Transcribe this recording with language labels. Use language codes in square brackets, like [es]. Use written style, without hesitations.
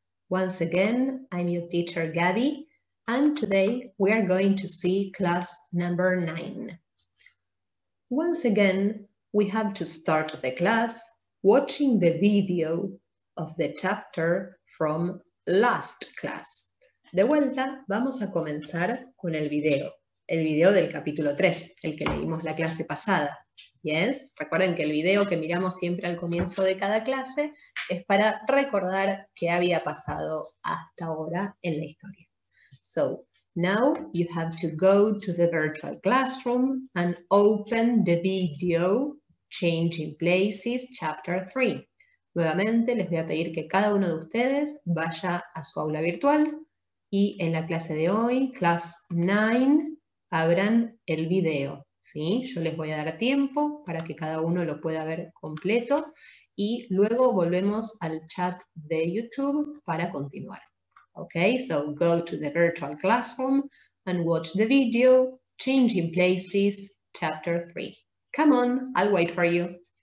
[en] Once again, I'm your teacher, Gabby, and today we are going to see class number 9. Once again, we have to start the class watching the video of the chapter from last class. [es] De vuelta, vamos a comenzar con el video del capítulo 3, el que leímos la clase pasada. Yes, recuerden que el video que miramos siempre al comienzo de cada clase es para recordar qué había pasado hasta ahora en la historia. [en] So, now you have to go to the virtual classroom and open the video Changing Places Chapter 3. [es] Nuevamente les voy a pedir que cada uno de ustedes vaya a su aula virtual y en la clase de hoy, Class 9, abran el video. Sí, yo les voy a dar tiempo para que cada uno lo pueda ver completo y luego volvemos al chat de YouTube para continuar. [en] Okay, so go to the virtual classroom and watch the video Changing Places Chapter 3. Come on, I'll wait for you.